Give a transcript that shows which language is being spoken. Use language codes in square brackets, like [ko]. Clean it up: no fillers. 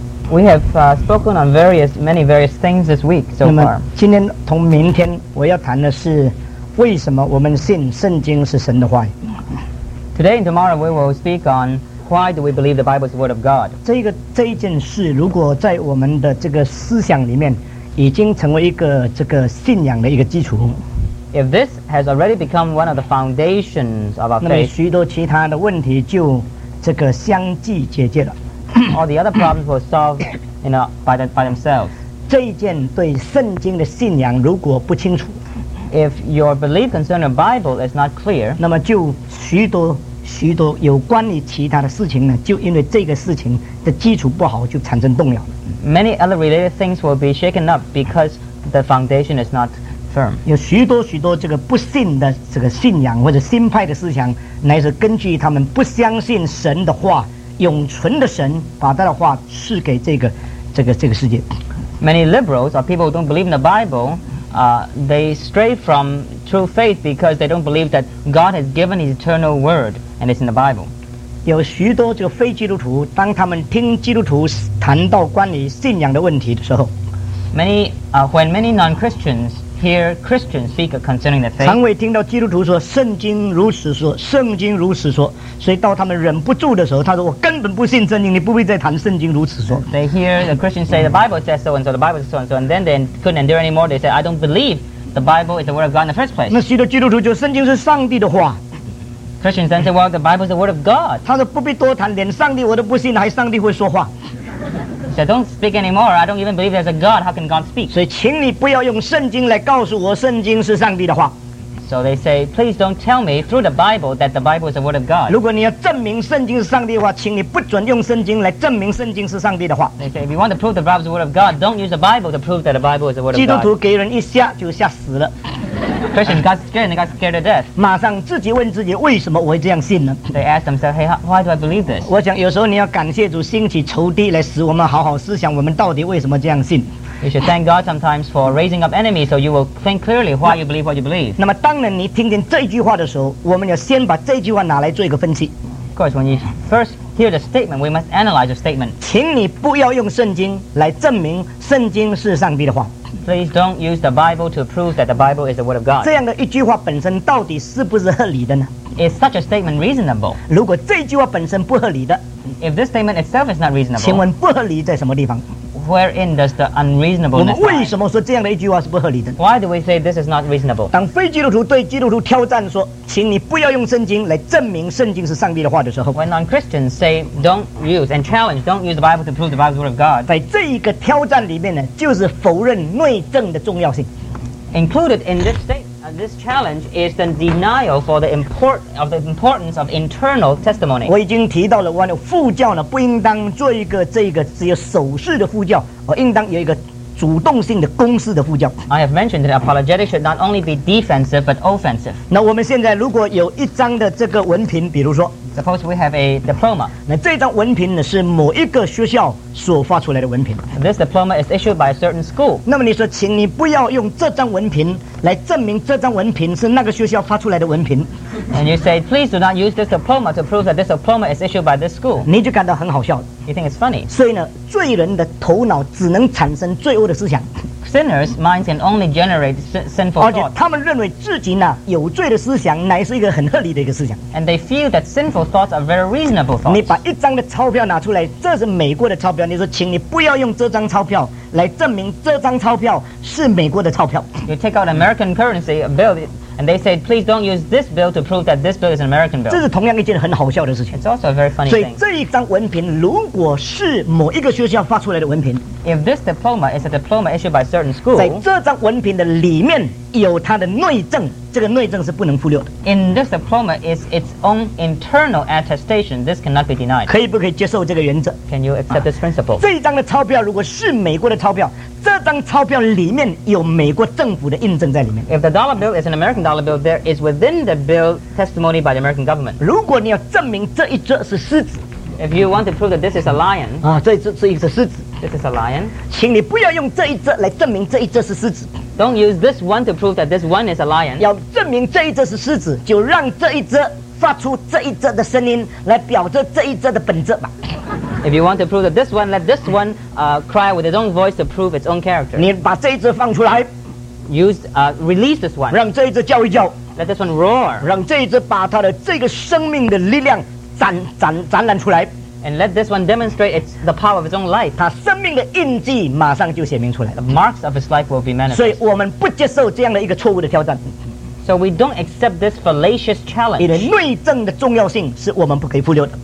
[en] We have spoken on many various things this week so far. [zh] 今天同明天我要谈的是为什么我们信圣经是神的话语。 [en] Today and tomorrow we will speak on why do we believe the Bible is the word of God. [zh] 这一件事如果在我们的这个思想里面已经成为一个这个信仰的一个基础。 [en] If this has already become one of the foundations of our faith, [zh] 那么许多其他的问题就这个相继解决了。 [en] All the other problems were solved, you know, by themselves. [zh] 这一件对圣经的信仰如果不清楚 [en] ，If your belief concerning the Bible is not clear, [zh] 那么就许多许多有关于其他的事情呢，就因为这个事情的基础不好，就产生动摇。 [en] Many other related things will be shaken up because the foundation is not firm. [zh] 有许多许多这个不信的这个信仰或者新派的思想，乃是根据他们不相信神的话，永存的神把他的话赐给这个世界。 [en] Many liberals or people who don't believe in the Bible, they stray from true faith because they don't believe that God has given His eternal word and it's in the Bible. [zh] 有许多这个非基督徒，当他们听基督徒谈到关于信仰的问题的时候 [en] ，when many non-Christians hear Christians speak concerning their faith, [zh] 常会听到基督徒说圣经如此说，圣经如此说，所以到他们忍不住的时候，他说我根本不信圣经，你不必再谈圣经如此说。 [en] They hear the Christians say the Bible says so and so, the Bible says so and so, and then they couldn't endure anymore. They say I don't believe the Bible is the word of God in the first place. [zh] 那许多基督徒就圣经是上帝的话。 [en] Christians then say, well, the Bible is the word of God. [zh] 他说不必多谈，连上帝我都不信，还上帝会说话。 [en] So don't speak anymore. I don't even believe there's a God. How can God speak? [zh] 所以请你不要用圣经来告诉我圣经是上帝的话。 [en] So they say, please don't tell me through the Bible that the Bible is the word of God. [zh] 如果你要证明圣经是上帝的话，请你不准用圣经来证明圣经是上帝的话。 [en] They say, if you want to prove the Bible is the word of God, don't use the Bible to prove that the Bible is the word of God. [zh] 基督徒给人一吓就吓死了。 [en] Christians got scared and they got scared to death. [zh] 马上自己问自己，为什么我会这样信呢 [en] ？They ask themselves, hey, why do I believe this? [zh] 我想有时候你要感谢主兴起仇敌来使我们好好思想，我们到底为什么这样信。 [en] You should thank God sometimes for raising up enemies so you will think clearly why you believe what you believe. [zh] 那么当然你听见这句话的时候，我们要先把这句话拿来做一个分析。 [en] Of course, when you first hear the statement, we must analyze the statement. [zh] 请你不要用圣经来证明圣经是上帝的话。 [en] Please don't use the Bible to prove that the Bible is the word of God. [zh] 这样的一句话本身到底是不是合理的呢？ [en] Is such a statement reasonable? [zh] 如果这句话本身不合理的， [en] If this statement itself is not reasonable, [zh] 请问不合理在什么地方？ [en] Wherein does the unreasonableness lie? [zh] 我们为什么说这样的一句话是不合理的？ [en] Why do we say this is not reasonable? [zh] 当非基督徒对基督徒挑战说，请你不要用圣经来证明圣经是上帝的话的时候， [en] When non-Christians say don't use and challenge, don't use the Bible to prove the Bible is the word of God, [zh] 在这一个挑战里面呢，就是否认内证的重要性。 [en] Included in this statement, this challenge is the denial for the importance of internal testimony. [zh] 我已经提到了，我的副教呢不应当做一个这个只有守势的副教，而应当有一个主动性的攻势的副教。 [en] I have mentioned that apologetics should not only be defensive but offensive. [zh] 那我们现在如果有一张的这个文凭，比如说 [en] ，Suppose we have a diploma. [zh] 那这张文凭呢是某一个学校所发出来的文凭。 [en] This diploma is issued by a certain school. [zh] 那么你说，请你不要用这张文凭来证明这张文凭是那个学校发出来的文凭。 [en] And you say, please do not use this diploma to prove that this diploma is issued by this school. [zh] 你就感到很好笑。 [en] You think it's funny. [zh] 所以呢，罪人的头脑只能产生罪恶的思想。 [en] Sinners' minds can only generate sinful thoughts. [zh] 而且他们认为自己呢有罪的思想乃是一个很合理的一个思想。 [en] And they feel that sinful thoughts are very reasonable thoughts. [zh] 你把一张的钞票拿出来，这是美国的钞票。你说，请你不要用这张钞票来证明这张钞票是美国的钞票。 [en] You take out an American currency, a bill. And they say, please don't use this bill to prove that this bill is an American bill. [zh] 这是同样一件很好笑的事情。 [en] It's also a very funny thing. [zh] 所以这一张文凭如果是某一个学校发出来的文凭 [en] ，If this diploma is a diploma issued by a certain school, [zh] 在这张文凭的里面有它的内证，这个内证是不能忽略的。 [en] In this diploma is its own internal attestation. This cannot be denied. [zh] 可以不可以接受这个原则 [en] ？Can you accept this principle? [zh] 这一张的钞票如果是美国的钞票。这张钞票里面有美国政府的印证在里面。 [en] If the dollar bill is an American dollar bill, there is within the bill testimony by the American government. [zh] 如果你要证明这一只是狮子 [en] ，If you want to prove that this is a lion, [zh] 啊，这一只是一只狮子 [en] ，This is a lion. [zh] 请你不要用这一只来证明这一只是狮子。 [en] Don't use this one to prove that this one is a lion. [zh] 要证明这一只是狮子，就让这一只发出这一则的声音来表示这一则的本质吧。 [en] If you want to prove that this one, let this one cry with its own voice to prove its own character. [zh] 你把这一则放出来。 [en] Release this one. [zh] 让这一则叫一叫。 [en] Let this one roar. [zh] 让这一则把它的这个生命的力量展览出来。 [en] And let this one demonstrate its, the power of its own life. [zh] 它生命的印记马上就显明出来。 [en] The marks of its life will be manifest. [zh] 所以我们不接受这样的一个错误的挑战。 [en] So we don't accept this fallacious challenge. [zh] 你的内证的重要性是我们不可以忽略的。